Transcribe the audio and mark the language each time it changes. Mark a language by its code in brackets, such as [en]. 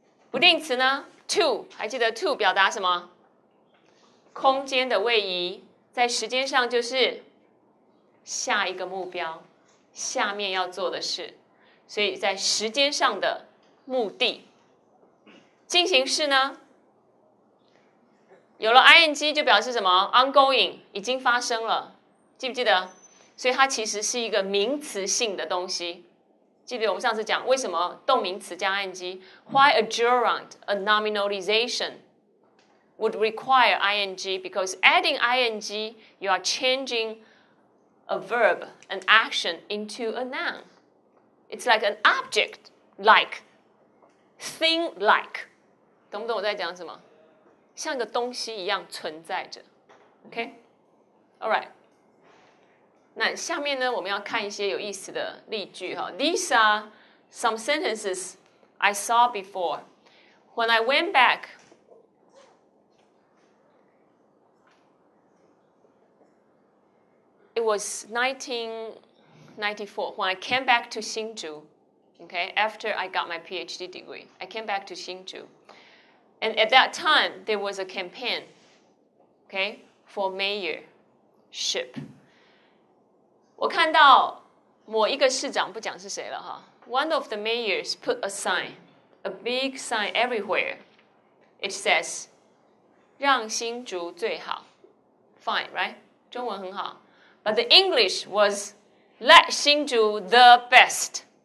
[zh] 不定词呢 ？To， 还记得 to 表达什么？空间的位移，在时间上就是下一个目标，下面要做的事，所以在时间上的目的。进行式呢？有了 ing 就表示什么 ongoing 已经发生了，记不记得？所以它其实是一个名词性的东西。记得我们上次讲为什么动名词加 ing? [en] Why a gerund, a nominalization would require ing? Because adding ing, you are changing a verb, an action into a noun. It's like an object, like thing, like [zh] 懂不懂我在讲什么？像个东西一样存在着 ，OK，All right。那下面呢，我们要看一些有意思的例句哈。 [en] These are some sentences I saw before. When I went back, it was 1994. When I came back to 新竹 ，OK， after I got my PhD degree, I came back to 新竹。 And at that time, there was a campaign, okay, for mayorship. [zh] 我看到某一个市长，不讲是谁了哈。 [en] One of the mayors put a sign, a big sign everywhere. It says, [zh] 让新竹最好。 [en] Fine, right? [zh] 中文很好。 [en] But the English was, let 新竹 the best.